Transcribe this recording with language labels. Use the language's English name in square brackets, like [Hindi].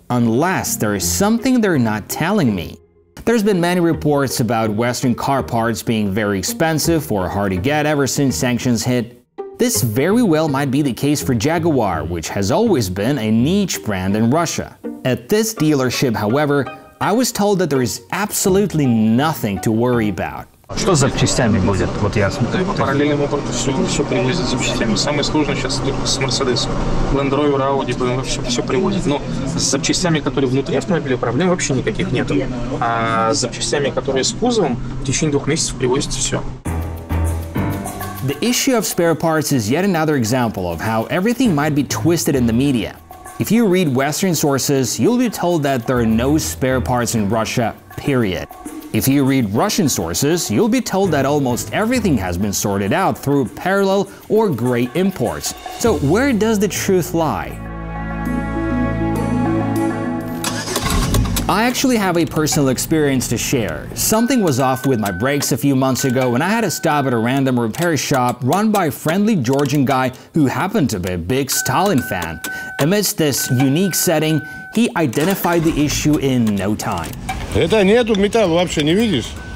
[English] Unless there is something they're not telling me. There's been many reports about Western car parts being very expensive or hard to get ever since sanctions hit. This very well might be the case for Jaguar, which has always been a niche brand in Russia. At this dealership, however, I was told that there is absolutely nothing to worry about. [Russian] Что с запчастями будет? Вот я смотрю. Параллельным образом все привозят запчастями. Самое сложное сейчас только с Мерседесом. Land Rover, Audi, BMW, все привозят. Но с запчастями, которые внутри автомобиля, проблем вообще никаких нет. А с запчастями, которые с кузовом, в течение 2 месяцев привозится все. [English] The issue of spare parts is yet another example of how everything might be twisted in the media. If you read Western sources, you'll be told that there are no spare parts in Russia, period. If you read Russian sources, you'll be told that almost everything has been sorted out through parallel or gray imports. So where does the truth lie? I actually have a personal experience to share. Something was off with my brakes a few months ago and I had to stop at a random repair shop run by a friendly Georgian guy who happened to be a big Stalin fan. Amidst this unique setting, he identified the issue in no time. [Russian] Это нету металла вообще, не видишь?